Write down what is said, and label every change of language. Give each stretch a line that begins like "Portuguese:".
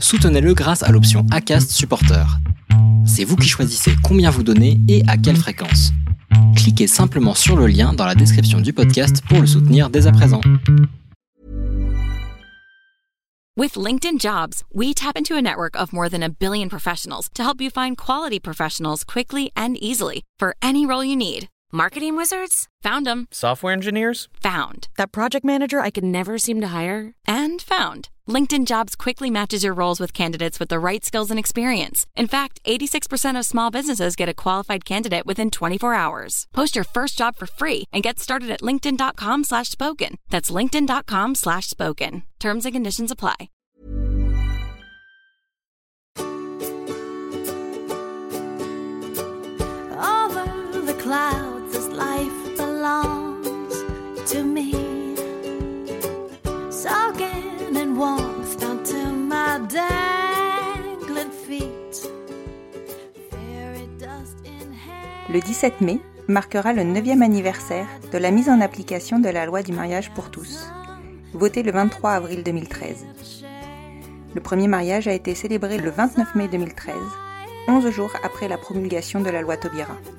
French: Soutenez-le grâce à l'option Acast Supporter. C'est vous qui choisissez combien vous donnez et à quelle fréquence. Cliquez simplement sur le lien dans la description du podcast pour le soutenir dès à présent.
English: With LinkedIn Jobs, we tap into a network of more than a billion professionals to help you find quality professionals quickly and easily for any role you need. Marketing wizards? Found them. Software engineers? Found. That project manager I could never seem to hire? And found. LinkedIn Jobs quickly matches your roles with candidates with the right skills and experience. In fact, 86% of small businesses get a qualified candidate within 24 hours. Post your first job for free and get started at linkedin.com/spoken. That's linkedin.com/spoken. Terms and conditions apply. Over the clouds, this life belongs to me. Soaking in warmth down to my dangling feet. Fairy dust in hand.
French: Le 17 mai marquera le 9e anniversaire de la mise en application de la loi du mariage pour tous, votée le 23 avril 2013. Le premier mariage a été célébré le 29 mai 2013, 11 jours après la promulgation de la loi Taubira.